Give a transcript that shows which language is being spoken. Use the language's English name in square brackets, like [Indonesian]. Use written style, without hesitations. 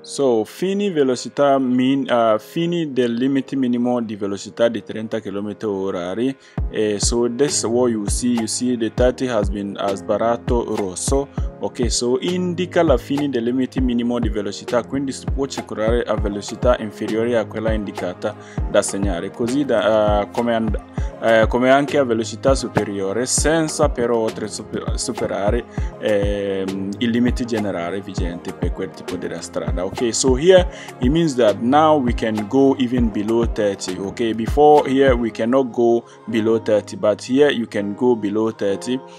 [Italian] So fini velocità fini del limite minimo di velocità di 30 km orari. [English] So this is what you see the 30 has been [Italian] sbarrato rosso. Okay, so indica la fine del limite minimo di velocità, quindi si può circolare a velocità inferiore a quella indicata da segnale, così da come anche a velocità superiore, senza però oltre superare il limite generale vigente per quel tipo di strada. [English] Okay, so here it means that now we can go even below 30. Okay, before here we cannot go below 30, but here you can go below 30.